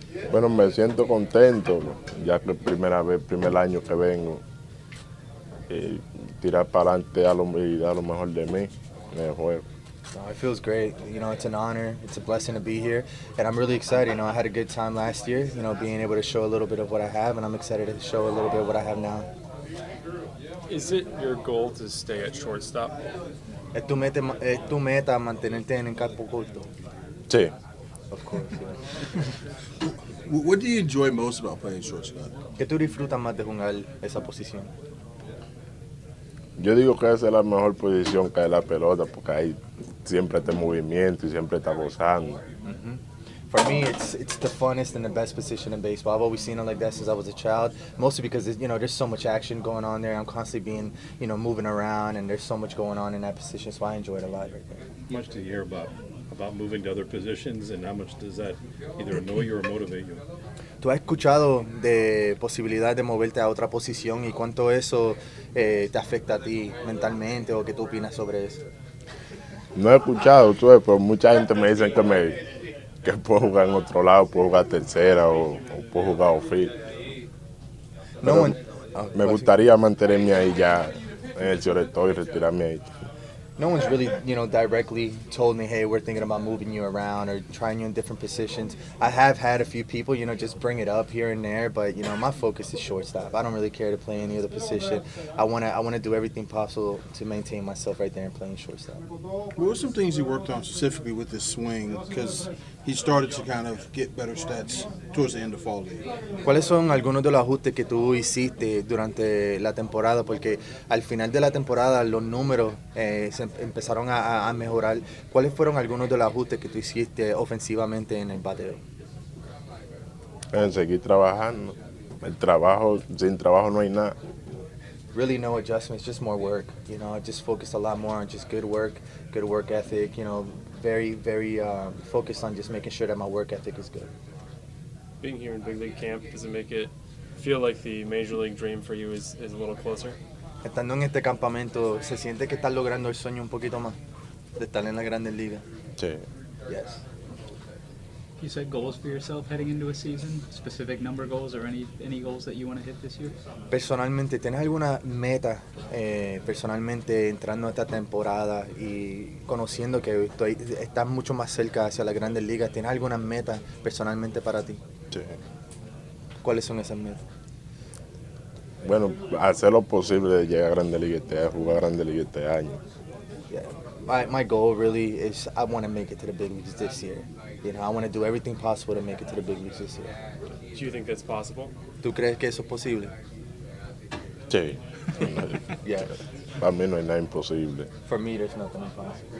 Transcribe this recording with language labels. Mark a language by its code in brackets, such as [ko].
[es] Bueno, me siento contento, ya que es primera vez, primer año que vengo. Tirar para adelante y dar lo mejor de mí en el juego. [en] No, it feels great. You know, it's an honor. It's a blessing to be here. And I'm really excited. You know, I had a good time last year, you know, being able to show a little bit of what I have. And I'm excited to show a little bit of what I have now. Is it your goal to stay at shortstop? [es] ¿Es tu meta mantenerte en el campo corto? Sí. [en] Of course. What do you enjoy most about playing shortstop? [es] ¿Qué tú disfrutas más de jugar esa posición? Yo digo que esa es la mejor posición que es la pelota, porque ahí siempre está en movimiento y siempre está gozando. [en] For me, it's the funnest and the best position in baseball. I've always seen it like that since I was a child, mostly because, you know, there's so much action going on there. I'm constantly being, you know, moving around, and there's so much going on in that position, so I enjoy it a lot right there. How much do you hear about moving to other positions, and how much does that either annoy you or motivate you? [es] ¿Tú has escuchado de posibilidad de moverte a otra posición y cuánto eso te afecta a ti mentalmente o qué tú opinas sobre eso? No he escuchado, tú ves, pero mucha gente me dice que puedo jugar en otro lado, puedo jugar tercera o puedo jugar off-field. No, me gustaría mantenerme ahí ya en el shortstop y retirarme ahí. [en] No one's really, you know, directly told me, hey, we're thinking about moving you around or trying you in different positions. I have had a few people, you know, just bring it up here and there, but, you know, my focus is shortstop. I don't really care to play any other position. I wanna do everything possible to maintain myself right there and playing shortstop. What were some things you worked on specifically with this swing? Because he started to kind of get better stats towards the end of fall league. [es] ¿Cuáles son algunos de los ajustes que tú hiciste durante la temporada? Porque al final de la temporada los números empezaron a mejorar. ¿Cuáles fueron algunos de los ajustes que tú hiciste ofensivamente en el bateo? En seguir trabajando. El trabajo, sin trabajo no hay nada. [en] Really no adjustments, just more work. You know, I just focused a lot more on just good work ethic, you know, very, very focused on just making sure that my work ethic is good. Being here in big league camp, does it make it feel like the major league dream for you is a little closer? [es] Estando en este campamento, ¿se siente que estás logrando el sueño un poquito más de estar en la Grandes Ligas? Sí. [en] Yes. You set goals for yourself heading into a season? Specific number goals or any goals that you want to hit this year? [es] Personalmente, ¿tienes alguna meta personalmente entrando a esta temporada y conociendo que estás mucho más cerca hacia la Grandes Ligas? ¿Tienes alguna meta personalmente para ti? Sí. ¿Cuáles son esas metas? Bueno, hacer lo posible de llegar a Grande Liga este año, jugar a Grande Liga este año. [en] Yeah. My goal really is I want to make it to the big leagues this year. You know, I want to do everything possible to make it to the big leagues this year. Do you think that's possible? [es] ¿Tú crees que eso es posible? Sí. [en] Yeah. [es] Para mí no hay nada imposible. [en] For me, there's nothing impossible.